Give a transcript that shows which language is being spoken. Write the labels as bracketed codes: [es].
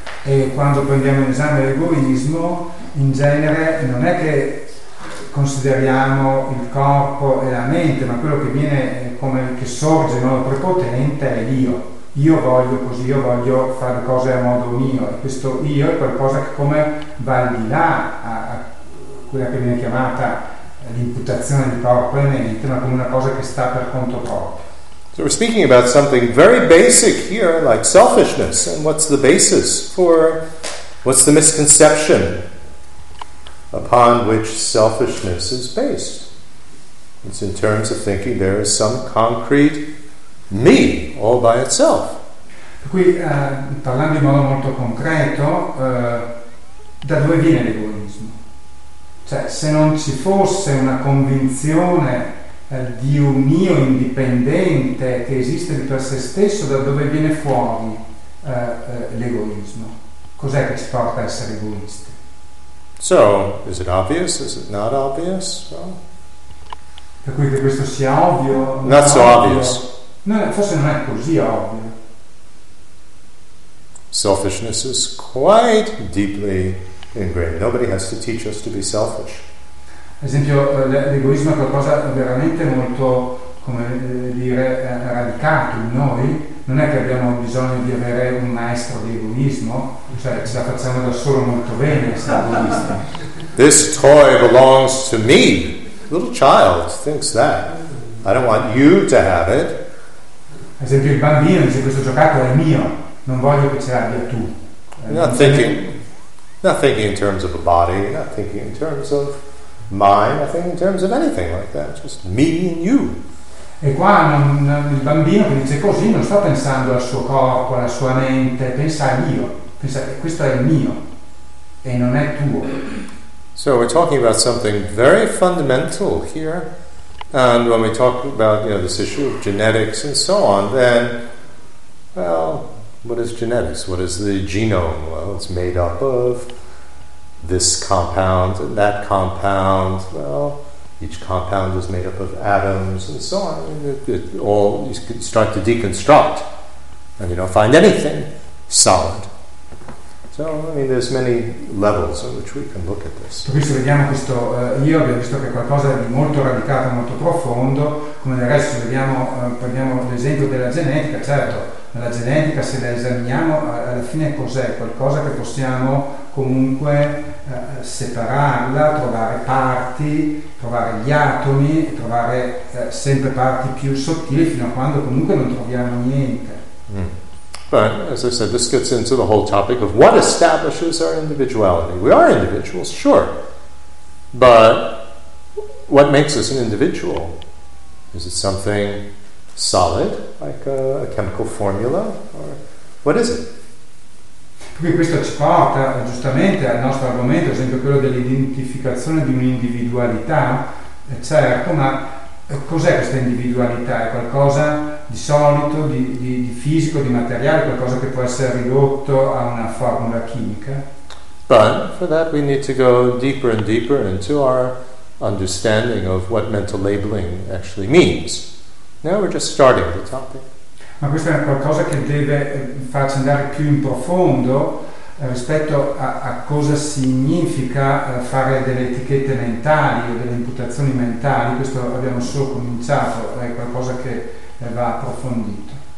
[it] E quando prendiamo in esame l'egoismo, in genere non è che consideriamo il corpo e la mente, ma quello che viene, come che sorge in modo prepotente, è l'io. Io voglio così, io voglio fare cose a modo mio, e questo io è qualcosa che come va al di là a quella che viene chiamata l'imputazione di corpo e mente, ma come una cosa che sta per conto proprio. [en] So we're speaking about something very basic here, like selfishness, and what's the basis for, what's the misconception upon which selfishness is based? It's in terms of thinking there is some concrete me all by itself. [it] Qui parlando in modo molto concreto, da dove viene l'egoismo? Cioè, se non ci fosse una convinzione di un io indipendente che esiste di per sé stesso, da dove viene fuori l'egoismo? Cos'è che ci porta a essere egoisti? [en] So, is it obvious? Is it not obvious? Well, [it] Per cui che questo sia ovvio, [en] not so obvious. [it] No, forse non è così ovvio. [en] Selfishness is quite deeply ingrained. Nobody has to teach us to be selfish. [it] Ad esempio, l'egoismo è qualcosa veramente molto, come dire, radicato in noi. Non è che abbiamo bisogno di avere un maestro di egoismo, cioè ce la facciamo da solo molto bene, essere egoisti. [en] This toy belongs to me. A little child thinks that. I don't want you to have it. [it] Ad esempio, il bambino dice: questo giocattolo è mio, non voglio che ce l'abbia tu. [en] Not thinking in terms of a body, not thinking in terms of mine, not thinking in terms of anything like that, just me and you. [it] E qua non, il bambino che dice così non sta pensando al suo corpo, alla sua mente, pensa a io, pensa che questo è mio e non è tuo. [en] So we're talking about something very fundamental here, and when we talk about, you know, this issue of genetics and so on, then, well, what is genetics? What is the genome? Well, it's made up of this compound and that compound. Well, each compound is made up of atoms and so on. You can start to deconstruct, and you don't find anything solid. No, I mean, there's many levels in which we can look at this. [it] Questo vediamo questo io abbiamo visto che è qualcosa di molto radicato, molto profondo. Come del resto vediamo, prendiamo l'esempio della genetica. Certo, la genetica, se la esaminiamo, alla fine cos'è? Qualcosa che possiamo comunque separarla, trovare parti, trovare gli atomi, trovare sempre parti più sottili fino a quando comunque non troviamo niente. [en] But, as I said, this gets into the whole topic of what establishes our individuality. We are individuals, sure. But what makes us an individual? Is it something solid, like a chemical formula? Or what is it? [it] Quindi questo ci porta giustamente al nostro argomento, ad esempio quello dell'identificazione di un'individualità, certo, ma cos'è questa individualità? È qualcosa di solito, di fisico, di materiale, qualcosa che può essere ridotto a una formula chimica? [en] But for that we need to go deeper and deeper into our understanding of what mental labeling actually means. Now we're just starting the topic. [it] Ma questo è qualcosa che deve farci andare più in profondo rispetto a cosa significa fare delle etichette mentali o delle imputazioni mentali. Questo abbiamo solo cominciato, è qualcosa che va approfondito.